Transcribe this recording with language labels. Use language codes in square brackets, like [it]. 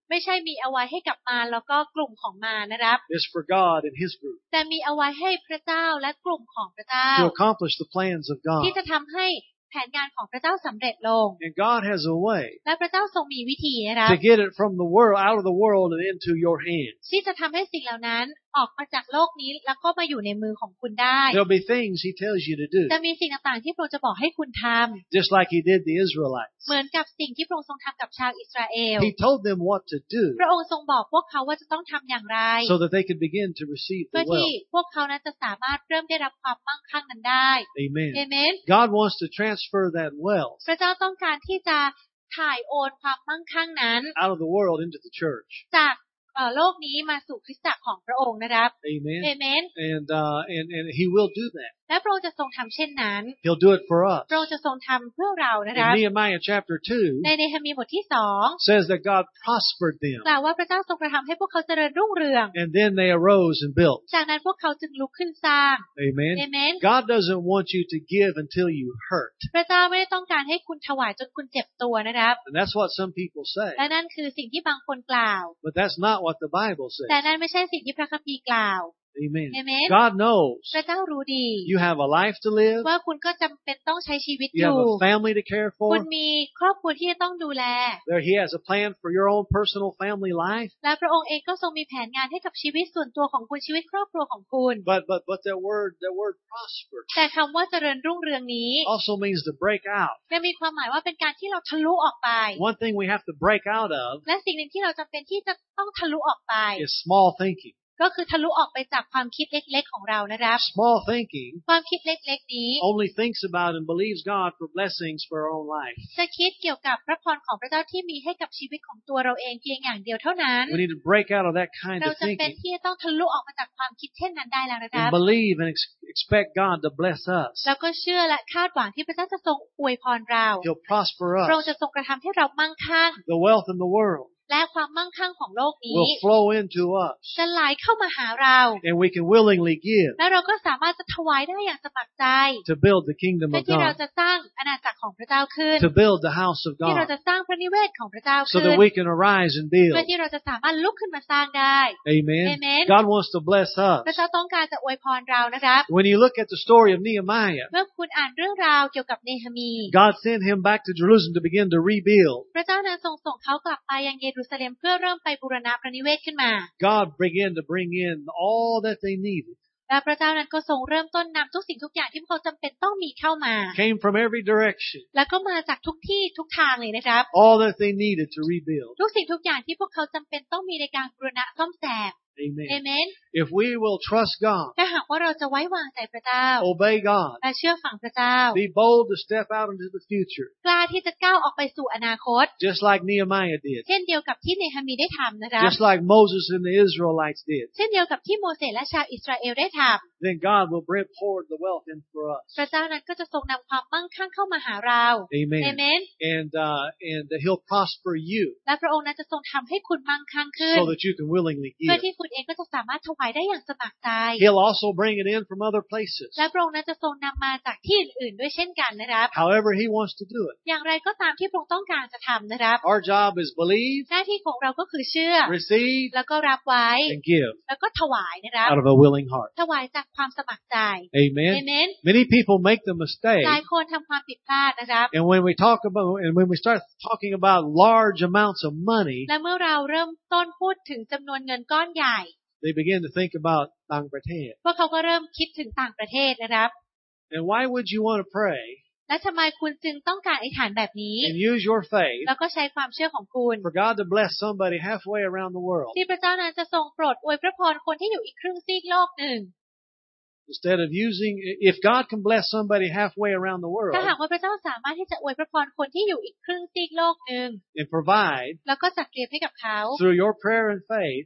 [th] ไม่ใช่มีเอาไว้ให้กับมารแล้วก็กลุ่มของมารนะครับ [en] is for God and his group [th] แต่มีเอาไว้ให้พระเจ้าและกลุ่มของพระเจ้า [en] to accomplish the plans of God [th] ที่จะทำให้แผนงานของพระเจ้าสำเร็จลง [en] And God has a way [th] และพระเจ้าทรงมีวิธีนะครับ [en] To get it from the world out of the world and into your hands [th] ที่จะทำให้สิ่งเหล่านั้นออกมาจากโลกนี้แล้วก็มาอยู่ในมือของคุณได้ [en] There'll be things he tells you to do [th] จะมีสิ่งต่างๆที่พระองค์จะบอกให้คุณทำ [en] Just like he did the Israelites [th] เหมือนกับสิ่งที่พระองค์ทรงทำกับชาวอิสราเอล [en] He told them what to do [th] พระองค์ทรงบอกพวกเขาว่าจะต้องทำอย่างไร [en] So that they could begin to receive the wealth [th] เพื่อที่พวกเขานั้นจะสามารถเริ่มได้รับความมั่งคั่งนั้นได้ [en] Amen Amen God wants to transfer that wealth [th] พระเจ้าต้องการที่จะถ่ายโอนความมั่งคั่งนั้น [en] out of the world into the church [th] จากโลกนี้มาสู่คริสตจักรของพระองค์นะครับ [en] Amen. Amen. And he will do that. [th] และพระองค์จะทรงทำเช่นนั้น [en] He'll do it for us. [th] พระองค์จะทรงทำเพื่อเรานะครับ [en] In Nehemiah chapter 2. [th] ในเนหะเมียบทที่2 [en] says that God prospered them. [th] กล่าวว่าพระเจ้าทรงกระทำให้พวกเขาเจริญรุ่งเรือง [en] And then they arose and built. [th] จากนั้นพวกเขาจึงลุกขึ้นสร้าง [en] Amen. Amen. God doesn't want you to give until you hurt. [th] พระเจ้าไม่ได้ต้องการให้คุณถวายจนคุณเจ็บตัวนะครับ [en] And that's what some people say. [th] และนั่นคือสิ่งที่บางคนกล่าว [en] But that's notwhat the Bible says. [th] แต่นั้นไม่ใช่สิ่งที่พระคัมภีร์กล่าว [en] Amen. Amen. God knows. [th] พระเจ้ารู้ดี [en] You have a life to live. [th] ว่าคุณก็จำเป็นต้องใช้ชีวิตอยู่ [en] You have a family to care for. [th] คุณมีครอบครัวที่จะต้องดูแล [en] There he has a plan for your own personal family life. [th] และพระองค์เองก็ทรงมีแผนงานให้กับชีวิตส่วนตัวของคุณชีวิตครอบครัวของคุณ [en] But that word prosper. [th] แต่คำว่าเจริญรุ่งเรืองนี้ [en] also means to break out. [th] และมีความหมายว่าเป็นการที่เราทะลุออกไป [en] One thing we have to break out of. [th] และสิ่งหนึ่งที่เราจำเป็นที่จะต้องทะลุออกไป [en] is small thinking. [th] ก็คือทะลุออกไปจากความคิดเล็กๆของเรานะครับ [en] Small thinking [th] ความคิดเล็กๆนี้ [en] only thinks about and believes God for blessings for our own life [th] จะคิดเกี่ยวกับพระพรของพระเจ้าที่มีให้กับชีวิตของตัวเราเองเพียงอย่างเดียวเท่านั้น [en] We need to break out of that kind of thinking [th] เราจะเป็นที่ต้องทะลุออกมาจากความคิดเช่นนั้นได้แล้วนะครับ [en] Believe and expect God to bless us [th] แล้วก็เชื่อและคาดหวังที่พระเจ้าจะทรงอวยพรเรา [en] He'll prosper us [th] พระองค์จะทรงกระทำให้เรามั่งคั่ง [en] The wealth in the world [th] และความมั่งคั่งของโลกนี้ [en] will flow into us [th] จะไหลเข้ามาหาเรา [en] and we can willingly give [th] และเราก็สามารถจะถวายได้อย่างสมัครใจ [en] to build the kingdom of God [th] เพื่อที่เราจะสร้างอาณาจักรของพระเจ้าขึ้น [en] to build the house of God [th] ที่เราจะสร้างพระนิเวศของพระเจ้าขึ้น [en] so that we can arise and build [th] เพื่อที่เราจะสามารถลุกขึ้นมาสร้างได้ [en] Amen Amen God wants to bless us [th] พระเจ้าต้องการจะอวยพรเรานะครับ [en] when you look at the story of Nehemiah [th] เมื่อคุณอ่านเรื่องราวเกี่ยวกับเนหะเมีย [en] God sent him back to Jerusalem to begin to rebuild [th] พระเจ้านั้นทรงส่งเขากลับไปยังเยรูซาเล็มเพื่อเริ่มไปบูรณะพระนิเวศขึ้นมา [en] God began to bring in all that they needed [th] และพระเจ้านั้นก็ทรงเริ่มต้นนำทุกสิ่งทุกอย่างที่พวกเขาจำเป็นต้องมีเข้ามา [en] Came from every direction [th] แล้วก็มาจากทุกที่ทุกทางเลยนะครับ [en] All that they needed to rebuild [th] ทุกสิ่งทุกอย่างที่พวกเขาจำเป็นต้องมีในการบูรณะซ่อมแซม [en] Amen. Amen. If we will trust God, [th] ถ้าหากว่าเราจะไว้วางใจพระเจ้า [en] obey God, [th] และเชื่อฟังพระเจ้า [en] be bold to step out into the future, [th] กล้าที่จะก้าวออกไปสู่อนาคต [en] just like Nehemiah did, [th] เช่นเดียวกับที่เนหะเมียได้ทำนะครับ [en] just like Moses and the Israelites did, [th] เช่นเดียวกับที่โมเสสและชาวอิสราเอลได้ทำ [en] then God will bring forth the wealth in for us, [th] พระเจ้านั้นก็จะทรงนำความมั่งคั่งเข้ามาหาเรา [en] Amen. Amen. And He'll prosper you, [th] และพระองค์นั้นจะทรงทำให้คุณมั่งคั่งขึ้น [en] so that you can willingly give, [th] เพื่อที่คุณเองก็จะสามารถถวายได้อย่างสมัครใจ [en] He'll also bring it in from other places. [th] และพระองค์นั้นจะทรงนำมาจากที่อื่นด้วยเช่นกันนะครับ [en] However he wants to do it. [th] อย่างไรก็ตามที่พระองค์ต้องการจะทำนะครับ [en] Our job is believe. [th] หน้าที่ของเราก็คือเชื่อ [en] Receive. [th] แล้วก็รับไว้ [en] And give. [th] แล้วก็ถวายนะครับ [en] Out of a willing heart. [th] ถวายจากความสมัครใจ [en] Amen. Amen. Many people make the mistake. [th] หลายคนทำความผิดพลาดนะครับ [en] And when we talk about and when we start talking about large amounts of money. [th] และเมื่อเราเริ่มต้นพูดถึงจำนวนเงินก้อนใหญ่ [en] They begin to think about [th] ต่างประเทศ พวกเขาก็เริ่มคิดถึงต่างประเทศนะครับ [en] And why would you want to pray? [th] และทำไมคุณจึงต้องการอธิษฐานแบบนี้ [en] And use your faith [th] แล้วก็ใช้ความเชื่อของคุณ [en] For God to bless somebody halfway around the world [th] ที่พระเจ้านั้นจะทรงโปรดอวยพระพรคนที่อยู่อีกครึ่งซีกโลกหนึ่ง [en] Instead of using if God can bless somebody halfway around the world [th] ถ้าหากว่าพระเจ้าสามารถที่จะอวยพระพรคนที่อยู่อีกครึ่งซีกโลกนึง [en] And provide [th] แล้วก็จัดเตรียมให้กับเขา [en] Through your prayer and faith